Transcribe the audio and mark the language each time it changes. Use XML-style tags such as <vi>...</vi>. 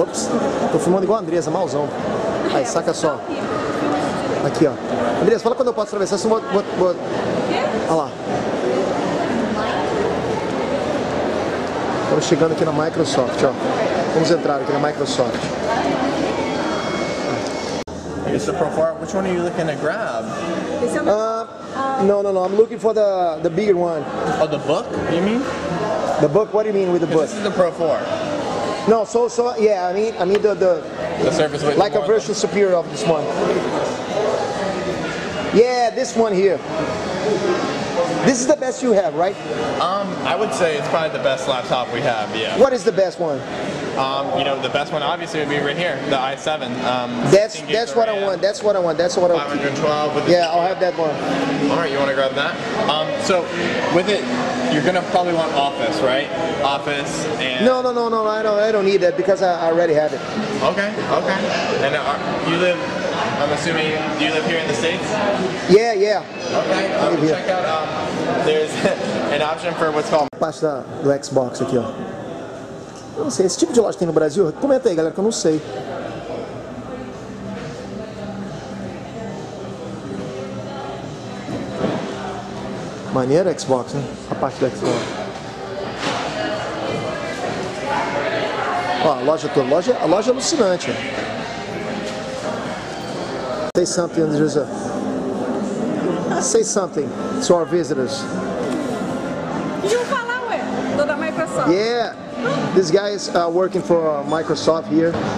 <pt>Ops, tô filmando igual a Andresa, malzão. Aí, saca só. Aqui, ó. Andresa, fala quando eu posso atravessar, senão eu vou... Olha lá. Estamos chegando aqui na Microsoft, ó. Vamos entrar aqui na Microsoft.</pt> <en>Mr. Profar, which one are you looking to grab? No. I'm looking for the bigger one. Oh, the book? You mean? The book? What do you mean with the book? This is the Profar. No, so yeah. I mean the Surface. Like a version superior of this one. Yeah, this one here. This is the best you have, right? I would say it's probably the best laptop we have. Yeah. What is the best one? You know, the best one obviously would be right here, the i7. That's what I want. That's what I want. That's what I want. 512. With the yeah, I'll have that one. All right, you want to grab that? So with it, you're gonna probably want Office, right? Office and. No. I don't need that because I already have it. Okay. And you live I'm assuming, do you live here in the States? Yeah, yeah. Okay, I'm going to check out, there's an option for what's called...</en> <pt>Parte da, do Xbox aqui, ó. Eu não sei, esse tipo de loja tem no Brasil? Comenta aí, galera, que eu não sei. Maneiro Xbox, né? A parte do Xbox. Ó, a loja toda, a loja é alucinante.</pt> <en>Say something, Andresa. Say something to our visitors.</en> <pt>Deixa eu falar, ué, tô da Microsoft.</pt> <en>Yeah, this guy is working for Microsoft here.</en>